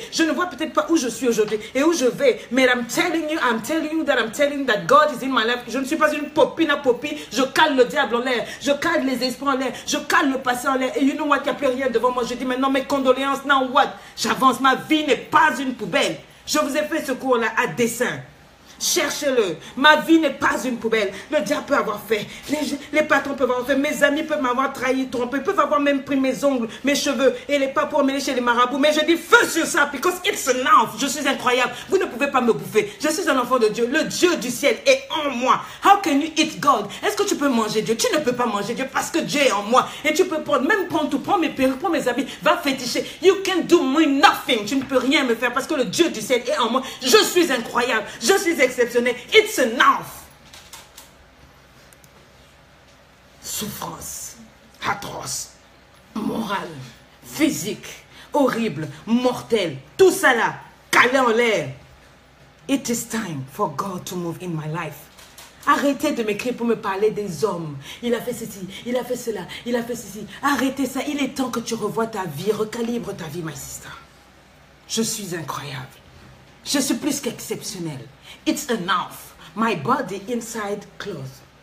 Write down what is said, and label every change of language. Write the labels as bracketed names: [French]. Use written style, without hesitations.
[French] Je ne vois peut-être pas où je suis aujourd'hui et où je vais. Mais [English] I'm telling you that God is in my life. [French] Je ne suis pas une popine à popine. Je cale le diable en l'air. Je cale les esprits en l'air. Je cale le passé en l'air. Et [English] you know what, [French] il n'y a plus rien devant moi. Je dis maintenant mes condoléances. [English] Now what? [French] J'avance. Ma vie n'est pas une poubelle. Je vous ai fait ce cours là à dessein. Cherchez-le. Ma vie n'est pas une poubelle. Le diable peut avoir fait. Les patrons peuvent avoir fait. Mes amis peuvent m'avoir trahi, trompé. Ils peuvent avoir même pris mes ongles, mes cheveux. Et les pas pour m'aider chez les marabouts. Mais je dis feu sur ça. [English] Because it's enough. [French] Je suis incroyable. Vous ne pouvez pas me bouffer. Je suis un enfant de Dieu. Le Dieu du ciel est en moi. [English] How can you eat God? [French] Est-ce que tu peux manger Dieu? Tu ne peux pas manger Dieu parce que Dieu est en moi. Et tu peux prendre, même prendre tout. Prends mes perruques, prends mes habits. Va féticher. [English] You can do me nothing. [French] Tu ne peux rien me faire parce que le Dieu du ciel est en moi. Je suis incroyable. Je suis exceptionnel. [English] It's enough. [French] Souffrance atroce, morale, physique, horrible, mortelle, tout ça là, calé en l'air. [English] It is time for God to move in my life. [French] Arrêtez de m'écrire pour me parler des hommes. Il a fait ceci, il a fait cela, il a fait ceci. Arrêtez ça. Il est temps que tu revoies ta vie, recalibre ta vie, [English] my sister. [French] Je suis incroyable. Je suis plus qu'exceptionnel. [English] It's enough. My body inside clothes.